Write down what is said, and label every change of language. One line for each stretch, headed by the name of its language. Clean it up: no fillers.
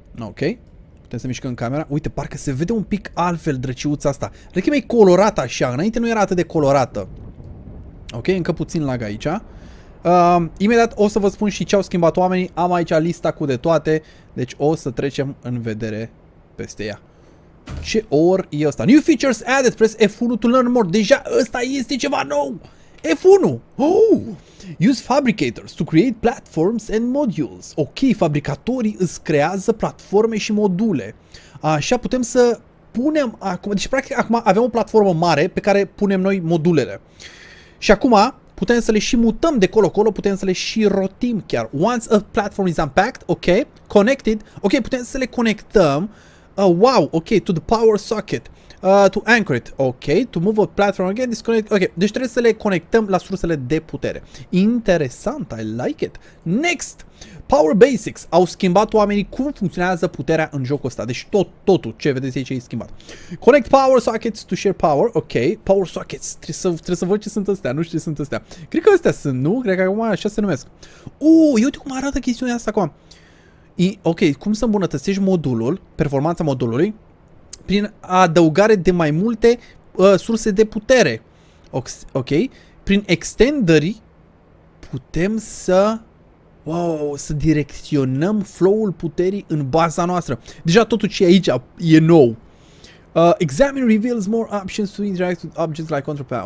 Romanian: Ok, putem să mișcăm camera. Uite, parcă se vede un pic altfel drăciuța asta. Cred că e mai colorată așa, înainte nu era atât de colorată. Ok, încă puțin lag aici. Imediat o să vă spun și ce au schimbat oamenii. Am aici lista cu de toate, deci o să trecem în vedere peste ea. Ce or e ăsta?
English: New features added, press F1 to learn more.
Romanian: Deja ăsta este ceva nou! F1! Oh!
English: Use fabricators to create platforms and modules.
Romanian: Ok, fabricatorii îți creează platforme și module. Așa, putem să punem acum... Deci, practic, acum avem o platformă mare pe care punem noi modulele. Și acum putem să le și mutăm de colo-colo, putem să le și rotim chiar.
English: Once a platform is unpacked, ok, connected.
Romanian: Ok, putem să le conectăm.
English: Wow, ok, to the power socket. To anchor it, ok, to move a platform again, disconnect, ok,
Romanian: deci trebuie să le conectăm la sursele de putere.
English: Interesant, I like it. Next, power basics,
Romanian: au schimbat oamenii cum funcționează puterea în jocul ăsta, deci totul ce vedeți aici e schimbat.
English: Connect power sockets to share power, ok, power sockets,
Romanian: trebuie să văd ce sunt astea, nu știu ce sunt astea. Cred că astea sunt, nu? Cred că acum așa se numesc. Uite cum arată chestiunea asta acum. Ok, cum să îmbunătățești modulul, performanța modulului? Prin adăugare de mai multe surse de putere. Ok? Prin extenderi putem să... Wow! Să direcționăm flow-ul puterii în baza noastră. Deja totul ce e aici e nou.
English: Examine reveals more options to interact with objects like control panel.